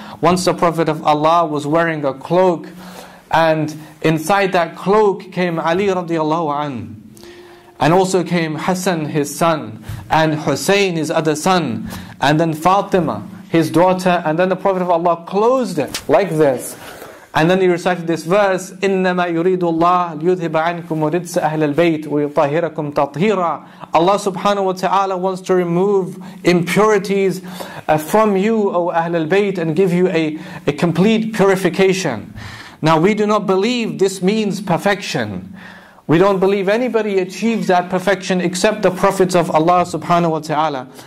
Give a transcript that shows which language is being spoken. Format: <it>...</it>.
<en>Once the Prophet of Allah was wearing a cloak, and inside that cloak came Ali radiallahu an, and also came Hassan his son, and Hussein his other son, and then Fatima his daughter, and then the Prophet of Allah closed it like this. And then he recited this verse,</en> <ar>إِنَّمَا يُرِيدُ اللَّهُ لِيُذْهِبَ عَنْكُمُ رِجْسَ أَهْلَ الْبَيْتِ وَيُطَهِرَكُمْ تَطْهِيرًا.</ar> <en>Allah subhanahu wa ta'ala wants to remove impurities from you, O Ahl al-Bayt, and give you a complete purification. Now we do not believe this means perfection. We don't believe anybody achieves that perfection except the prophets of Allah subhanahu wa ta'ala.</en>